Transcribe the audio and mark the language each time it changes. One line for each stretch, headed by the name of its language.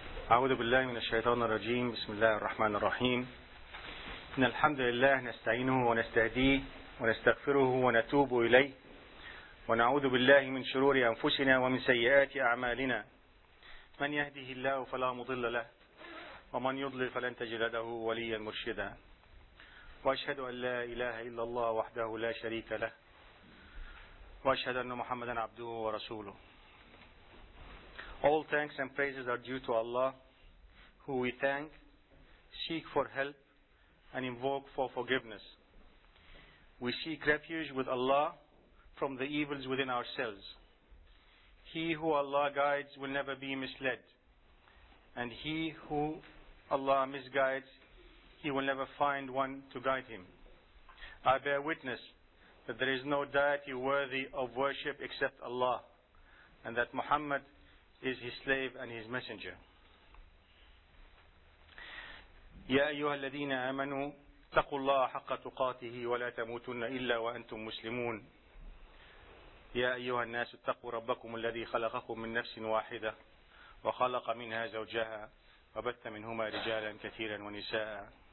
Arabic: أعوذ بالله من الشيطان الرجيم. بسم الله الرحمن الرحيم. إن الحمد لله نستعينه ونستهديه ونستغفره ونتوب إليه ونعوذ بالله من شرور أنفسنا ومن سيئات أعمالنا، من يهده الله فلا مضل له ومن يضلل فلن تجد له وليا مرشدا. وأشهد أن لا إله إلا الله وحده لا شريك له، وأشهد أن محمدا عبده ورسوله.
English: All thanks and praises are due to Allah, who we thank, seek for help, and invoke for forgiveness. We seek refuge with Allah from the evils within ourselves. He who Allah guides will never be misled, and he who Allah misguides, he will never find one to guide him. I bear witness that there is no deity worthy of worship except Allah, and that Muhammad is his slave and his messenger.
Arabic: يا أيها الذين آمنوا اتقوا الله حق تقاته ولا تموتن إلا وأنتم مسلمون. يا أيها الناس اتقوا ربكم الذي خلقكم من نفس واحدة وخلق منها زوجها وبث منهما رجالا كثيرا ونساء.